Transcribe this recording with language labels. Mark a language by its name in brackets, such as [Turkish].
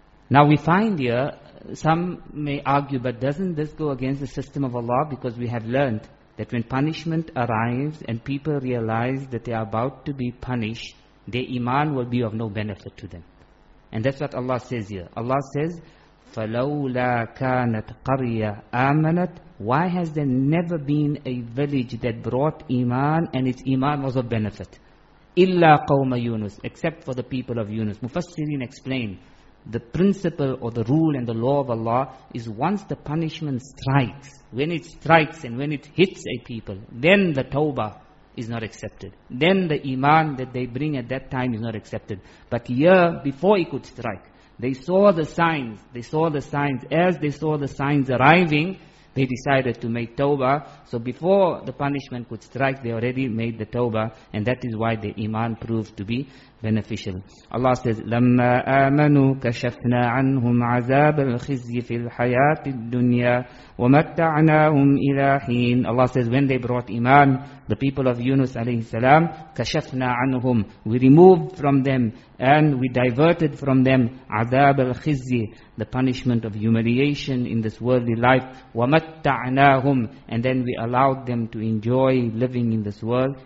[English] Now we find here, some may argue, but doesn't this go against the system of Allah? Because we have learned that when punishment arrives and people realize that they are about to be punished, their iman will be of no benefit to them. And that's what Allah says here. [Arabic] Allah says, فَلَوْلَا كَانَتْ قَرْيَ آمَنَتْ. [English] Why has there never been a village that brought iman and its iman was of benefit? [Arabic] إِلَّا قَوْمَ يُونَسْ. [English] Except for the people of Yunus. Mufassirin explained, the principle or the rule and the law of Allah is once the punishment strikes, when it strikes and when it hits a people, then the tawbah is not accepted. Then the iman that they bring at that time is not accepted. But here, before it could strike, they saw the signs. They saw the signs. As they saw the signs arriving, they decided to make tawbah. So before the punishment could strike, they already made the tawbah. And that is why the iman proved to be beneficial. [Arabic] Allah says, لَمَّا آمَنُوا كَشَفْنَا عَنْهُمْ عَذَابَ الْخِزْيِ فِي الْحَيَاةِ الدُّنْيَا وَمَتَّعْنَاهُمْ إِلَىٰ حِينَ. [English] Allah says, when they brought iman, the people of Yunus alayhi salam, [Arabic] كَشَفْنَا عَنْهُمْ, [English] we removed from them and we diverted from them [Arabic] عَذَابَ الْخِزْيِ, [English] the punishment of humiliation in this worldly life. [Arabic] وَمَتَّعْنَاهُمْ, [English] and then we allowed them to enjoy living in this world.